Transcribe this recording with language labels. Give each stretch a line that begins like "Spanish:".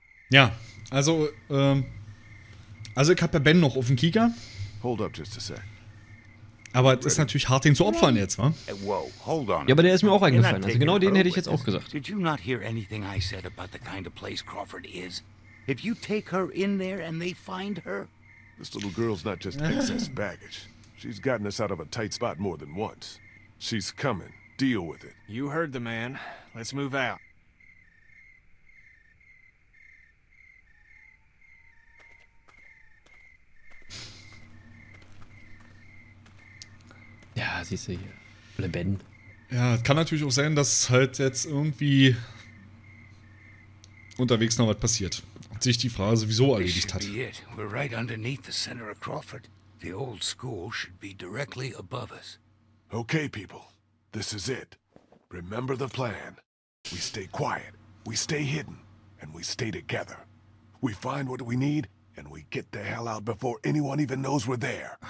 German: Ja, also, ich habe ja Ben noch auf dem Kieker.
English: Hold up just a sec.
German: Aber es ist natürlich hart, den zu opfern jetzt, wa? Ja, aber der ist mir auch eingefallen. Also genau den hätte ich jetzt auch gesagt.
English: Did you not hear anything I said about the kind of place Crawford is? If you take her in there and they find her? This little girl's not just excess baggage. She's gotten us out of a tight spot more than once. She's coming. Deal with it. You heard the man. Let's move out.
German: Ja, siehst du hier. Leben. Ja, kann natürlich auch sein, dass halt jetzt irgendwie unterwegs noch was passiert. Und sich die Frage sowieso erledigt hat.
English: We're right underneath the center of Crawford. The old school should be directly above us. Okay, people. This is it. Remember the plan. We stay quiet. We stay hidden. And we stay together. We find what we need. And we get the hell out before anyone even knows we're there.